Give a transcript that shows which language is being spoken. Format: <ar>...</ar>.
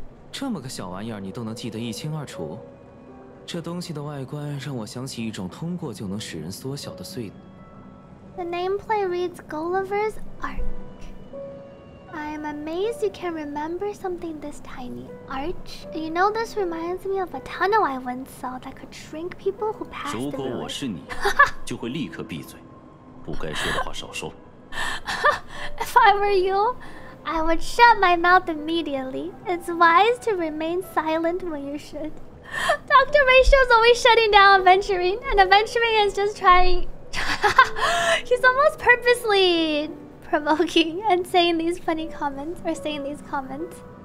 <zh>这么个小玩意儿你都能记得一清二楚？这东西的外观让我想起一种通过就能使人缩小的隧道。</zh> <en>The nameplate reads Gulliver's Ark. I am amazed you can remember something this tiny. Arch? You know, this reminds me of a tunnel I once saw that could shrink people who passed the village.</en> <zh>如果我是你，就会立刻闭嘴，不该说的话少说。</zh> <en>If I were you, I would shut my mouth immediately. It's wise to remain silent when you should. Dr. Rachel's always shutting down Aventurine, and Aventurine is just trying... He's almost purposely provoking and saying these funny comments or saying these comments.</en>